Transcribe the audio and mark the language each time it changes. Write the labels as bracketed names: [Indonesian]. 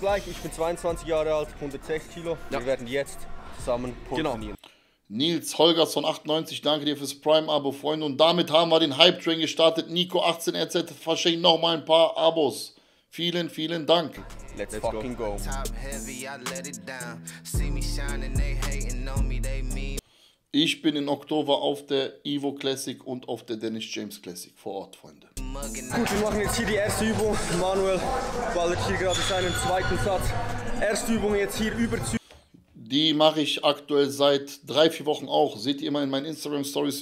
[German] Gleich, ich bin 22 Jahre alt, 106 Kilo. Ja. Wir werden jetzt zusammen trainieren. Nils Holgersson 98, danke dir fürs Prime-Abo, Freunde. Und damit haben wir den Hype-Train gestartet. Nico 18RZ verschenkt nochmal ein paar Abos. Vielen, vielen Dank. [English] Let's fucking go. Top heavy, I let it down. See me shining, they hating on me, they mean. [German] Ich bin im Oktober auf der Evo Classic und auf der Dennis James Classic vor Ort, Freunde. Gut, wir machen jetzt hier die erste Übung. Manuel ballert hier gerade seinen zweiten Satz. Erste Übung jetzt hier über Züge. Die mache ich aktuell seit 3-4 Wochen auch. Seht ihr immer in meinen Instagram-Stories.